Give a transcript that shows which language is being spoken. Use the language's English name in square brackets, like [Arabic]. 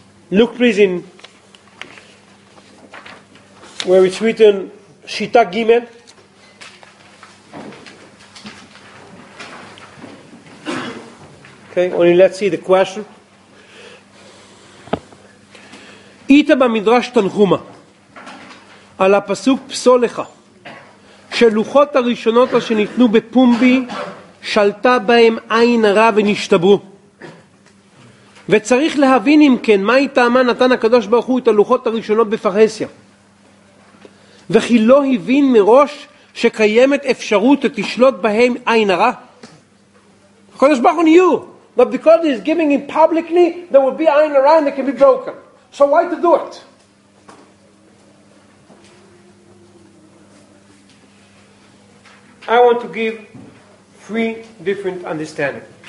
[English] Look please in where it's written Shita Gimel. Okay, only let's see the question. [Hebrew] Ita b'midrash Tanhuma al ha'pasuk psolecha שלוחות הראשונות אשר ניתנו בפומבי שלטה בהם עין הרע ונשתברו. וצריך להבין אם כן מה איתה נתן הקדוש ברוך הוא את הלוחות הראשונות בפרהסיה. וכי לא הבין מראש שקיימת אפשרות לתשלוט בהם עין הרע. [English] הקדוש ברוך הוא knew that because he is giving him publicly there will be עין הרע and it can be broken. So why to do it? I want to give three different understandings.